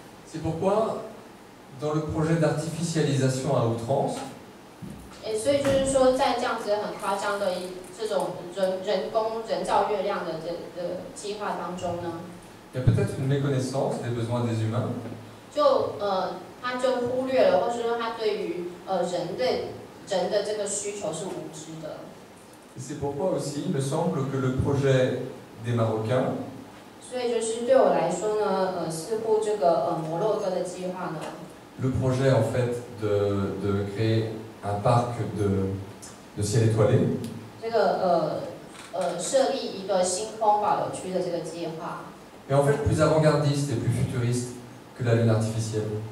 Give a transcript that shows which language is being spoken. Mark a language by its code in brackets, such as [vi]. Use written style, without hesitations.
[fr] C'est pourquoi dans le projet d'artificialisation à outrance. [zh] 所以就是说，在这样子很夸张的这种人工人造月亮的计划当中呢。 [fr] Il y a peut-être une méconnaissance des besoins des humains. [zh] 就他就忽略了，或者说他对于人的这个需求是无知的。 [fr] C'est pourquoi aussi il me semble que le projet des Marocains. [zh] 所以就是对我来说呢，似乎这个摩洛哥的计划呢。 [fr] Le projet en fait de créer un parc de ciel étoilé. [zh] 这个设立一个星空保留区的这个计划。 [fr] Et en fait plus avant-gardiste et plus futuriste que la lune artificielle.